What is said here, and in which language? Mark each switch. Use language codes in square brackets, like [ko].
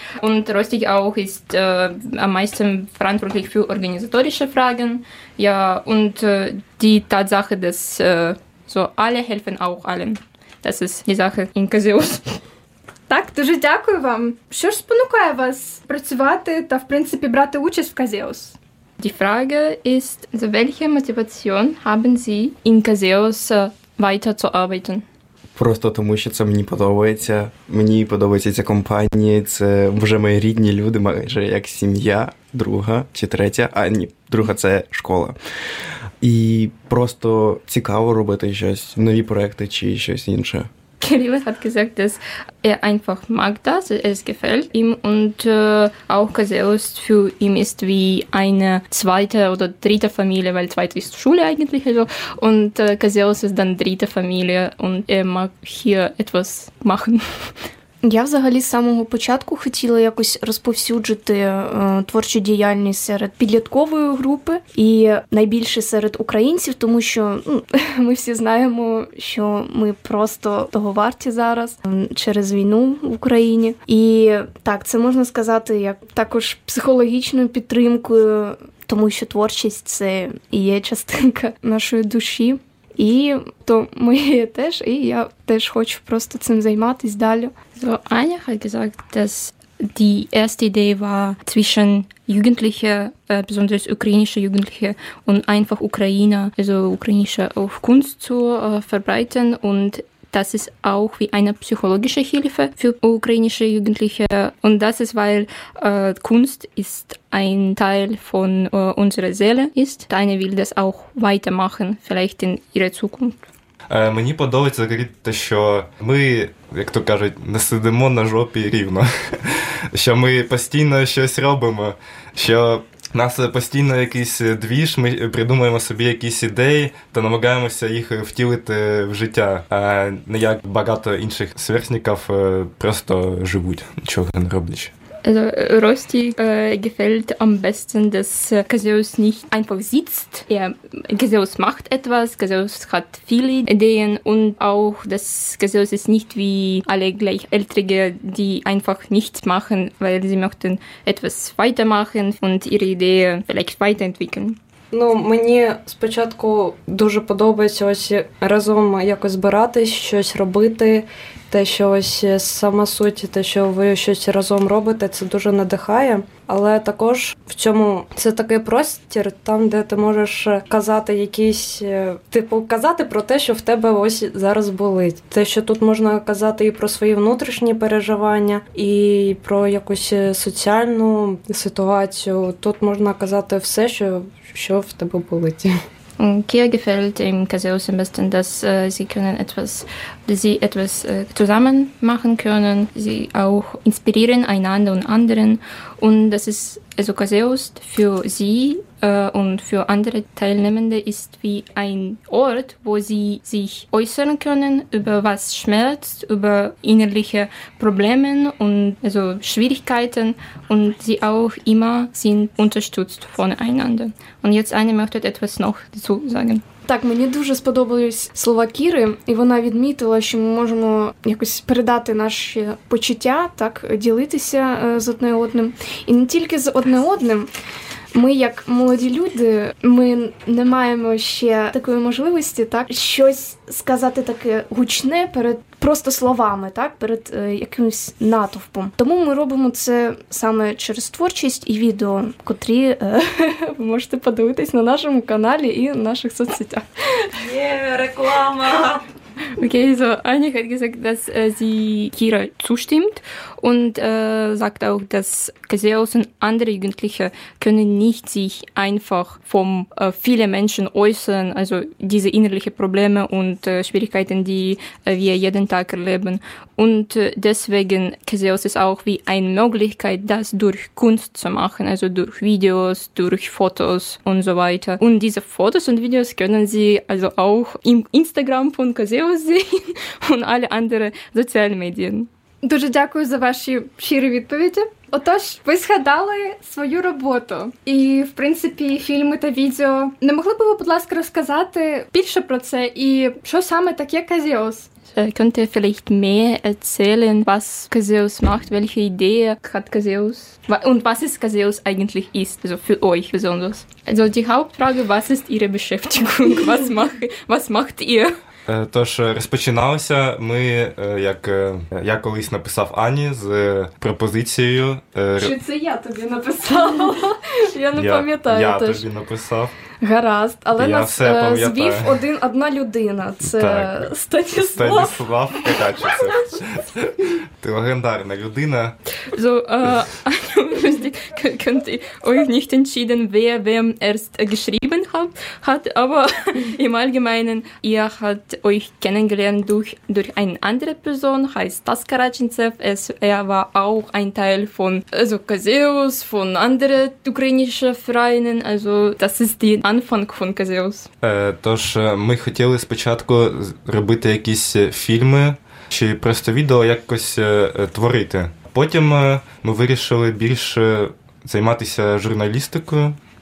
[de] Und Rustik auch ist am meisten verantwortlich für organisatorische Fragen. Ja, und die Tatsache, dass so alle helfen auch allen. Das ist die Sache in Casillos. [uk] Так, дуже дякую вам. Що ж спонукає вас працювати та, в принципі, брати участь в Casillos? [de] Die Frage ist, welche Motivation haben Sie in Casillos weiterzuarbeiten? [uk] Просто тому, що це мені подобається. Мені подобається ця компанія, це вже мої рідні люди, майже як сім'я, друга чи третя, а ні, друга – це школа. І просто цікаво робити щось, нові проекти чи щось інше. [de] Kirill hat gesagt, dass er einfach mag das, es gefällt ihm und auch Casillos für ihn ist wie eine zweite oder dritte Familie, weil zweite ist Schule eigentlich, also, und Casillos ist dann dritte Familie und er mag hier etwas machen. [uk] Я взагалі з самого початку хотіла якось розповсюджити творчу діяльність серед підліткової групи і найбільше серед українців, тому що ми всі знаємо, що ми просто того варті зараз через війну в Україні. І так, це можна сказати як також психологічною підтримкою, тому що творчість – це і є частинка нашої душі. І то ми теж, і я теж хочу просто цим займатись далі. [de] So, Anja hat gesagt, dass die erste Idee war zwischen Jugendlichen, besonders ukrainische Jugendliche und einfach Ukrainer, also ukrainische auf Kunst zu verbreiten und das ist auch wie eine psychologische Hilfe für ukrainische Jugendliche. Und das ist, weil Kunst ist ein Teil von unserer Seele ist. Deine will das auch weitermachen, vielleicht in ihrer Zukunft. [uk] Мені подобається взагалі те, що ми, як то кажуть, не сидимо на жопі рівно. Що ми постійно щось робимо, що у нас постійно якийсь двіж, ми придумуємо собі якісь ідеї та намагаємося їх втілити в життя, а не як багато інших сверстників просто живуть, нічого не роблячи. [de] Also Rosti gefällt am besten, dass Gaseus nicht einfach sitzt. Ja, Gaseus macht etwas, Gaseus hat viele Ideen und auch, dass Gaseus ist nicht wie alle Gleichältrige, die einfach nichts machen, weil sie möchten etwas weitermachen und ihre Idee vielleicht weiterentwickeln. [uk] Ну, мені спочатку дуже подобається ось разом якось збиратись, щось робити, те, що ось сама суть, те, що ви щось разом робите, це дуже надихає. Але також в чому це такий простір, там, де ти можеш казати якісь, типу, казати про те, що в тебе ось зараз болить. Те, що тут можна казати і про свої внутрішні переживання, і про якусь соціальну ситуацію. Тут можна казати все, що... Що в тебе болить? [de] Kia gefällt im Gaseus am besten, dass sie etwas zusammen machen können, sie auch inspirieren einander und anderen. Und das ist, also Gaseus für sie und für andere Teilnehmende ist wie ein Ort, wo sie sich äußern können über was schmerzt, über innerliche Probleme und also Schwierigkeiten und sie auch immer sind unterstützt voneinander. Und jetzt eine möchte etwas noch dazu sagen. [uk] Так, мені дуже сподобались слова Кіри, і вона відмітила, що ми можемо якось передати наші почуття, так, ділитися з одне одним. І не тільки з одне одним. Ми, як молоді люди, ми не маємо ще такої можливості, так, щось сказати таке гучне перед просто словами, так, перед якимось натовпом. Тому ми робимо це саме через творчість і відео, котрі ви можете подивитись на нашому каналі і на наших соцсетях. Є реклама! [de] Okay, so Anja hat gesagt, dass sie Kira zustimmt und sagt auch, dass Gaseus und andere Jugendliche können nicht sich einfach vom vielen Menschen äußern, also diese innerlichen Probleme und Schwierigkeiten, die wir jeden Tag erleben. Und deswegen Gaseus ist auch wie eine Möglichkeit, das durch Kunst zu machen, also durch Videos, durch Fotos und so weiter. Und diese Fotos und Videos können Sie also auch im Instagram von Gaseus sehen und alle anderen sozialen Medien. [uk] Дуже дякую за ваші щирі відповіді. Отож, ви згадали свою роботу. І, в принципі, фільми та відео. Не могли б ви, будь ласка, розказати більше про це? І що саме таке Gaseus? [de] Könnt ihr vielleicht mehr erzählen, was Gaseus macht, welche Idee hat Gaseus und was ist Gaseus eigentlich ist, also für euch besonders? Also die Hauptfrage, was ist ihre Beschäftigung, was macht ihr? [uk] Тож, розпочиналося ми, як я колись написав Ані з пропозицією... Що це я тобі написала? Я не пам'ятаю. Я тобі написав. Гаразд, але нас збив одна людина. Це Станіслав. Станіслав Качаця. Ти легендарна людина. [de] So, könnt ihr euch nicht entscheiden, wem erst geschrieben hat, aber im Allgemeinen, ihr habt euch kennengelernt durch eine andere Person, heißt Taska Rajintsev. Er war auch ein Teil von also Gaseus, von anderen ukrainischen Vereinen, also das ist der Anfang von Gaseus. [uk] Тож, ми хотіли спочатку робити якісь фільми, чи просто відео якось творити. Потім ми вирішили більше займатися журналістикою.